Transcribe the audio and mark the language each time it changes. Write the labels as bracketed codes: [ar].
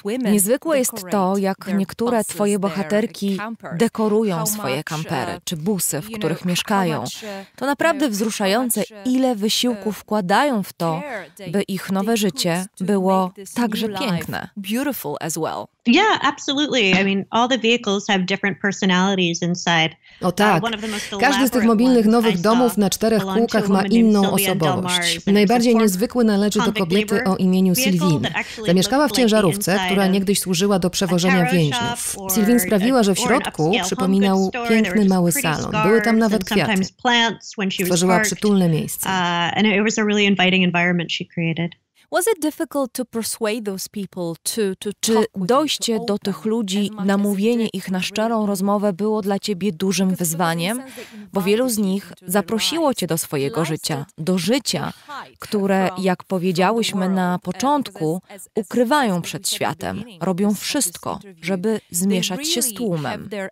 [pl] Niezwykłe jest to, jak niektóre twoje bohaterki dekorują swoje kampery czy busy, w których mieszkają. To naprawdę wzruszające, ile wysiłku wkładają w to, by ich nowe życie było także piękne. [en] Yeah, absolutely. I mean, all the vehicles have different personalities inside. [pl] O tak. Każdy z tych mobilnych nowych domów na czterech kółkach ma inną osobowość. Najbardziej niezwykły należy do kobiety o imieniu Sylvin. Zamieszkała w ciężarówce, która niegdyś służyła do przewożenia więźniów. Sylvin sprawiła, że w środku przypominał piękny mały salon. Były tam nawet kwiaty. Stworzyła przytulne miejsce. [en] And it was a really inviting environment she created. Was it difficult to persuade those people to [pl] czy dojście do tych ludzi, namówienie ich na szczerą rozmowę było dla ciebie dużym wyzwaniem? Bo wielu z nich zaprosiło cię do swojego życia, do życia, które, jak powiedziałyśmy na początku, ukrywają przed światem, robią wszystko, żeby zmieszać się z tłumem.